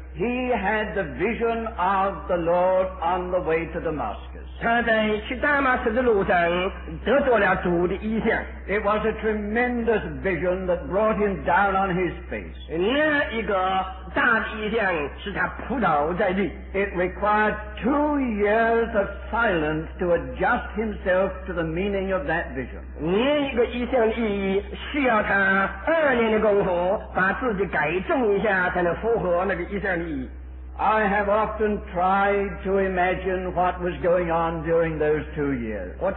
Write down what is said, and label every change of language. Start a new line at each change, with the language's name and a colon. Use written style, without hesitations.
English: He had the vision of the Lord on the way to Damascus.
Chinese: 他在去大马士的路上得到了主的意象。
English: It was a tremendous vision that brought him down on his face.
Chinese: 那一个大的意象使他扑倒在地。
English: It required 2 years of silence to adjust himself to the meaning of that vision.
Chinese: 那一个意象的意义需要他2年的功夫把自己改正一下才能符合那个意象的意义。
English: I have often tried to imagine what was going on during those 2 years.